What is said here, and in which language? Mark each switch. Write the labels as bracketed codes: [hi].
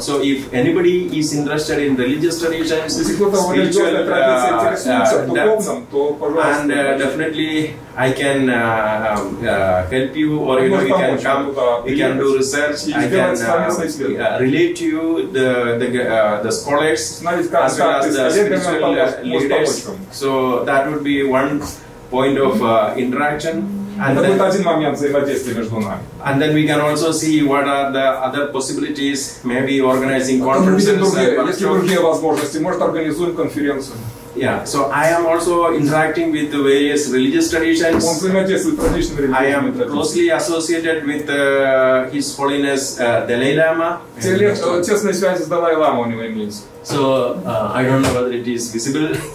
[en] So if anybody is interested in religious traditions, spiritual, and definitely I can help you, or you know, you can come, you can do research, I can relate to you the scholars as well as the spiritual leaders. So that would be one point of interaction. And [ru] это [en] then, [ru] будет один момент взаимодействия между нами. [en] And then we can also see what are the other possibilities, maybe organizing conferences. [ru] Есть другие возможности, может организуем конференцию. [en] Yeah, so I am also interacting with the various religious traditions. [ru] Он взаимодействует с различными религиозными традициями. [en] I am closely associated with His Holiness Dalai Lama. [ru] Тесные связи с Далай Лама у него имеются. [en] So, I don't know whether it is visible.